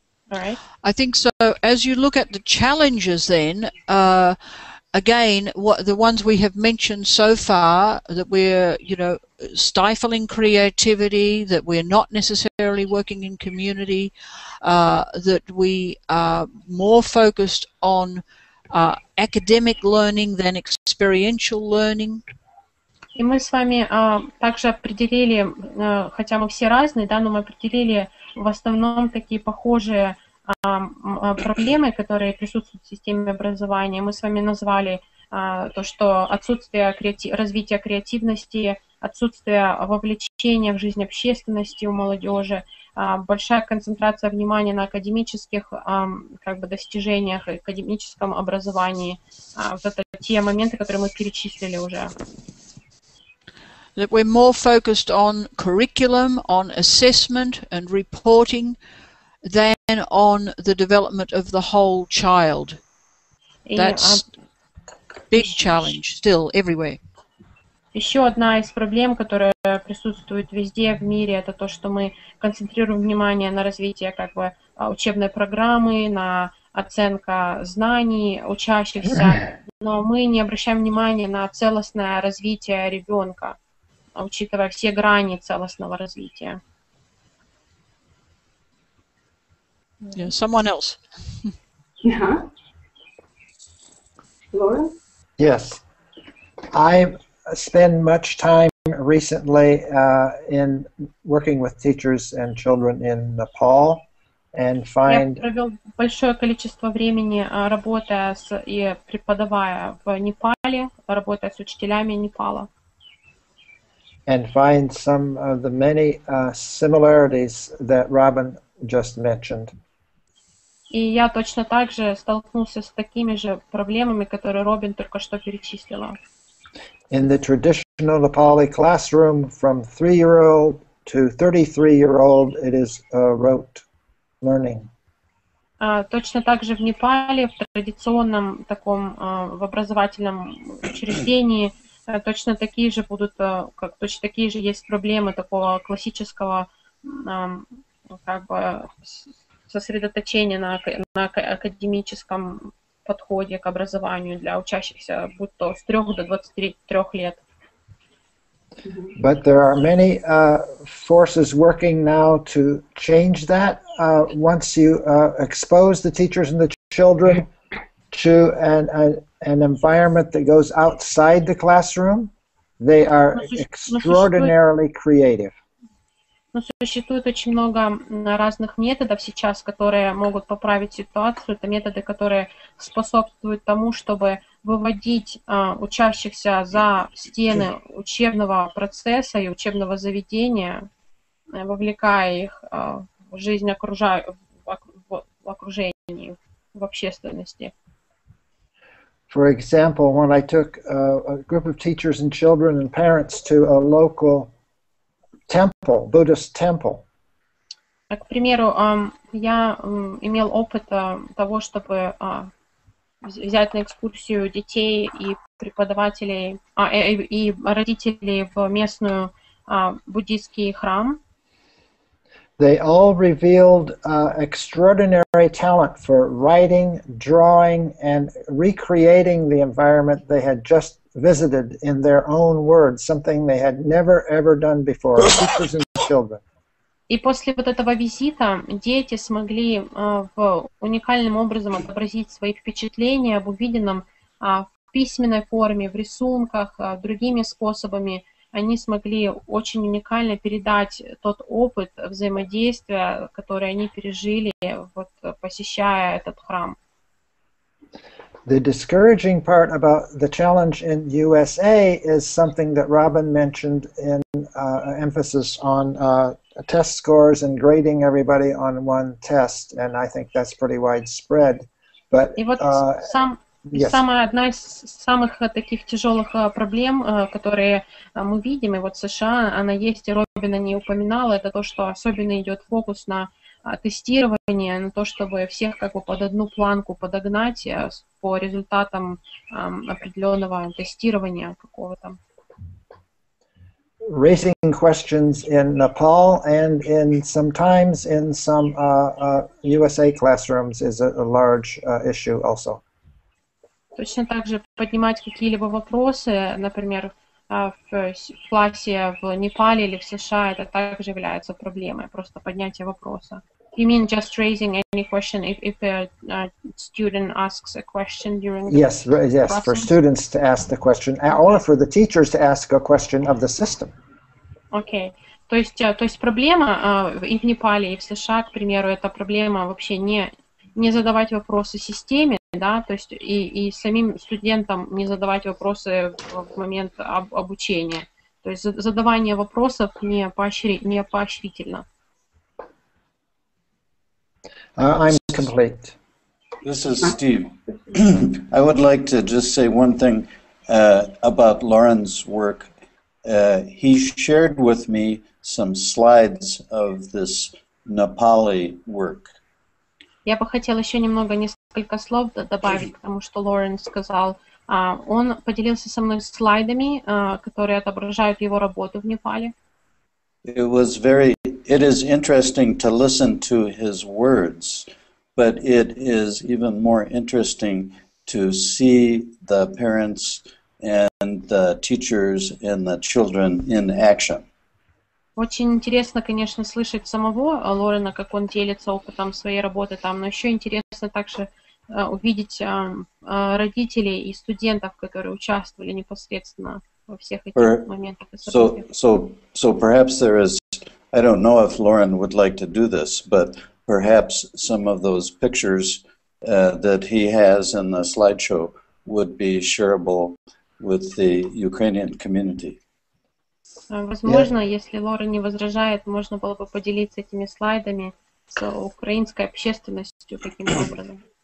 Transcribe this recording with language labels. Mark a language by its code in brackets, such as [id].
[en] Right. I think so. As you look at the challenges then, again, the ones we have mentioned so far, that we're, you know, stifling creativity, that we're not necessarily working in community, that we are more focused on academic learning than experiential learning. [ru] И мы с вами также определили, хотя мы все разные, да, но мы определили в основном такие похожие проблемы, которые присутствуют в системе образования. Мы с вами назвали то, что отсутствие развития креативности, отсутствие вовлечения в жизнь общественности у молодежи, большая концентрация внимания на академических как бы достижениях, академическом образовании. Вот это те моменты, которые мы перечислили уже. [en] That we're more focused on curriculum, on assessment and reporting than on the development of the whole child. That's big challenge still everywhere. [ru] Еще одна из проблем, которая присутствует везде в мире, это то, что мы концентрируем внимание на развитии как бы учебной программы, на оценка знаний учащихся, но мы не обращаем внимания на целостное развитие ребенка, учитывая все грани целостного развития. [en] Yeah, someone else. Uh-huh. Lauren? Yes. I spend much time recently in working with teachers and children in Nepal and find... [ru] Я провел большое количество времени, работая с, и преподавая в Непале, работая с учителями Непала. [en] And find some of the many similarities that Robin just mentioned. [ru] И я точно так же столкнулся с такими же проблемами, которые Робин только что перечислила. [en] In the traditional Nepali classroom, from 3-year-old to 33-year-old, it is rote learning. [ru] Точно так же в Непале, в традиционном таком в образовательном учреждении, точно такие же будут, как точно такие же есть проблемы такого классического как бы сосредоточения на академическом подходе к образованию для учащихся, будь то с 3 до 23 лет. [en] But there are many forces working now to change that once you expose the teachers and the children to an environment that goes outside the classroom, they are extraordinarily creative. [ru] Но существует очень много разных методов сейчас, которые могут поправить ситуацию. Это методы, которые способствуют тому, чтобы выводить учащихся за стены учебного процесса и учебного заведения, вовлекая их в жизнь в окружении, в общественности. [en] For example, when I took a group of teachers and children and parents to a local temple, Buddhist temple. [ru] К примеру, я имел опыт того, чтобы взять на экскурсию детей и преподавателей и родителей в местную буддийский храм. [en] They all revealed extraordinary talent for writing, drawing, and recreating the environment they had just visited in their own words, something they had never ever done before, teachers and children. [ru] И после вот этого визита дети смогли в уникальным образом отобразить свои впечатления об увиденном в письменной форме, в рисунках, другими способами. Они смогли очень уникально передать тот опыт взаимодействия, который они пережили, вот посещая этот храм. [en] The discouraging part about the challenge in USA is something that Robin mentioned in emphasis on test scores and grading everybody on one test, and I think that's pretty widespread. But [ru] самая одна из самых таких тяжелых проблем, которые мы видим, и вот США, она есть, и Робин о ней упоминала, это то, что особенно идет фокус на тестирование, на то, чтобы всех как бы под одну планку подогнать по результатам определенного тестирования какого-то. [en] Raising questions in Nepal and in sometimes in some USA classrooms is a large issue also. [ru] Точно так же поднимать какие-либо вопросы, например, в классе в Непале или в США, это также является проблемой, просто поднятие вопроса. [en] You mean just raising any question if a student asks a question during the Yes, classroom? For students to ask the question, or for the teachers to ask a question of the system. [ru] Okay, то есть проблема и в Непале, и в США, к примеру, это проблема вообще не задавать вопросы системе, да, то есть и самим студентам не задавать вопросы в момент обучения. То есть задавание вопросов не поощрительно. [en] I'm complete. This is Steve. I would like to just say one thing about Lauren's work. He shared with me some slides of this Nepali work. [ru] Я бы хотел еще немного несколько слов добавить, потому что Лорен сказал. Он поделился со мной слайдами, которые отображают его работу в Непале. [en] It is interesting to listen to his words, but it is even more interesting to see the parents and the teachers and the children in action. [ru] Очень интересно, конечно, слышать самого Лорена, как он делится опытом своей работы там, но еще интересно также увидеть родителей и студентов, которые участвовали непосредственно во всех этих моментах. [en] So perhaps there is, I don't know if Lauren would like to do this, but perhaps some of those pictures that he has in the slideshow would be shareable with the Ukrainian community. [ru] Возможно, [en] yeah. [ru] Если Лора не возражает, можно было бы поделиться этими слайдами с украинской общественностью каким-то образом.